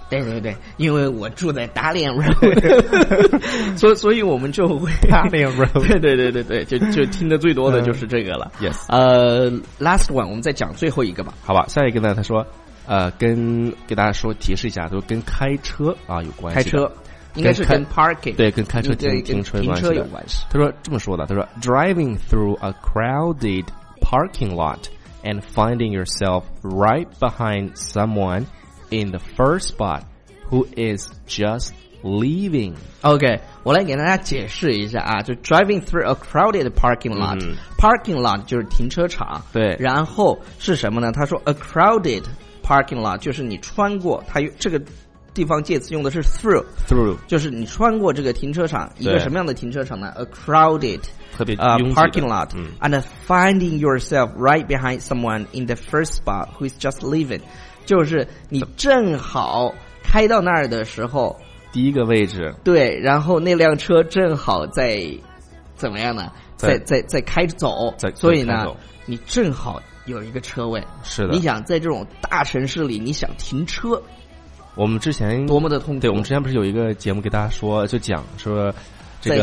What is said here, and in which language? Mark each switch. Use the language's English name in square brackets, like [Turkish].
[Chinese] 对对对，因为我住在 Dalian Road， 所以我们就会 [English] Dalian Road， [Chinese] 对对对对对，就听的最多的就是这个了。 [English] Yes， last one， [Chinese] 我们再讲最后一个吧，好吧？下一个呢？他说，给大家说提示一下，都跟开车啊有关系，开车应该是跟 parking，对，跟开车停车关系的有关系。他说这么说的，他说 [English] driving through a crowded parking lot and finding yourself right behind someone in the first spot who is just leaving. [Chinese] OK， 我来给大家解释一下啊，就 [English] driving through a crowded parking lot、 [Chinese] 嗯、parking lot 就是停车场，对，然后是什么呢，他说 [English] a crowded parking lot [Chinese] 就是你穿过他这个地方介词用的是 through， 就是你穿过这个停车场，一个什么样的停车场呢 ？ [English] A crowded， [Chinese] 特别拥挤的 [English] parking lot，、嗯、and finding yourself right behind someone in the first spot who is just leaving， [Chinese] 就是你正好开到那儿的时候，第一个位置，对，然后那辆车正好在怎么样呢？在开走，所以呢，你正好有一个车位，是的，你想在这种大城市里，你想停车。我们之前多么的痛苦，对，我们之前不是有一个节目给大家说，就讲说、这个、